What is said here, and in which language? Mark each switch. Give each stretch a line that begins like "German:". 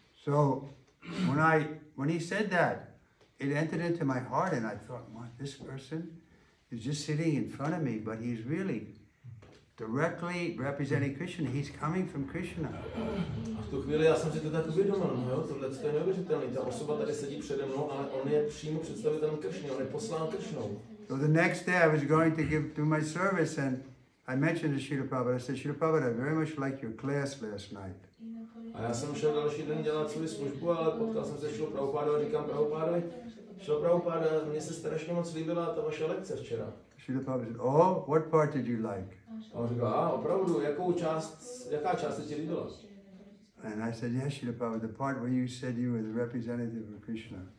English: So, when he said that, it entered into my heart and I thought, man, this person is just sitting in front of me, but he's really directly representing Krishna, he's coming from Krishna.
Czech: A v tu chvíli já jsem si to tak uvědomil, no jo, tohle to je neuvěřitelný, ta osoba tady sedí přede mnou, ale on je přímo představitelem Krishna, on je poslán Krishnou.
English: So the next day I was going to give to my service and I mentioned to Srila Prabhupada, I said, Srila Prabhupada, I very much like your class last night.
Czech: A já jsem šel další den dělat svou službu, ale potkal jsem se Srila Prabhupada a říkám Prabhupádovi, Srila Prabhupáda, mně se strašně moc líbila ta vaše lekce včera.
English: Srila Prabhupada said, oh, what part did you like?
Czech: A on říkal, opravdu, jaká část se ti líbila?
English: And I said, yes, Srila Prabhupada, the part where you said you were the representative of Krishna.